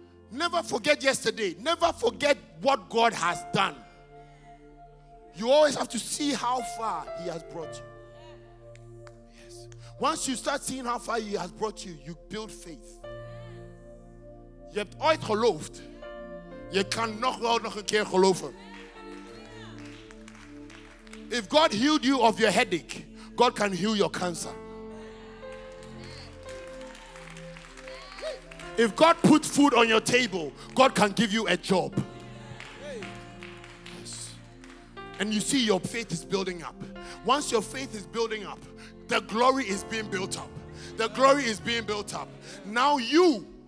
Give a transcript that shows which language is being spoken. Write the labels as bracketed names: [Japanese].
[English] Never forget yesterday. Never forget what God has done. You always have to see how far he has brought you. Yes. Once you start seeing how far he has brought you, you build faith. [Dutch] Je hebt ooit geloofd. Je kan nog een keer geloven. [English] If God healed you of your headache, God can heal your cancer. If God put food on your table, God can give you a job. And you see your faith is building up. Once your faith is building up, the glory is being built up. The glory is being built up. Now you,